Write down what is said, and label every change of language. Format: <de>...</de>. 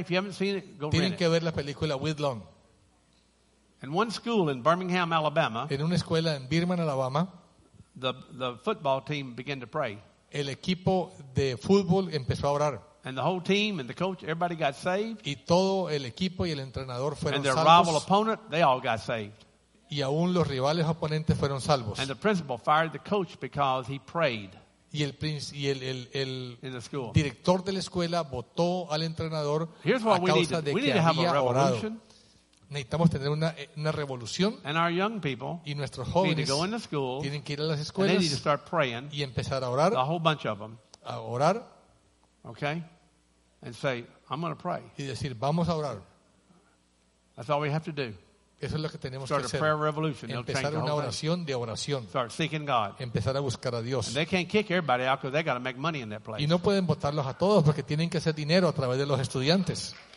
<en>If you haven't seen it, go</en> <es>tienen</es> <en>rent it.</en> <es>Que ver la película Woodlawn.</es> <en>In one school in Birmingham, Alabama,</en> <es>en una escuela en Birmingham, Alabama,</es> <en>the football team began to pray.</en> <es>El equipo de fútbol empezó a orar.</es> <en>And the whole team and the coach, everybody got saved.</en> <es>Y todo el equipo y el entrenador fueron</es> <en>and their</en> <es>salvos.</es> <en>Rival opponent, they all got saved.</en> <es>Y aún los rivales oponentes fueron salvos.</es> <en>And the principal fired the coach because he prayed.</en> <es>Y el</es> <en>in the school.</en> <es>Director de la escuela votó al entrenador</es> <en>here's what</en> <es>a causa</es> <en>we need to,</en> <es>de</es> <en>we need</en> <es>que</es> <en>to have</en> <es>había</es> <en>a revolution.</en> <es>Orado. Necesitamos tener una revolución.</es> <en>And our young people</en> <es>y nuestros jóvenes</es> <en>need to go in the school,</en> <es>tienen que ir a las escuelas</es> <en>and they need to start praying,</en> <es>y empezar a orar.</es> <en>The whole bunch of them.</en> <es>A orar.</es> <en>Okay, and say I'm going to pray.</en> <es>Y decir vamos a orar.</es> <en>That's all we have to do.</en> <es>Eso es lo que tenemos</es> <en>start</en> <es>que hacer.</es> <en>Start a prayer revolution.</en> <es>Empezar una oración de oración.</es> <en>Start seeking God.</en> <es>Empezar a buscar a Dios.</es> <en>And they can't kick everybody out because they got to make money in that place.</en> <es>Y no pueden botarlos a todos porque tienen que hacer dinero a través de los estudiantes.</es>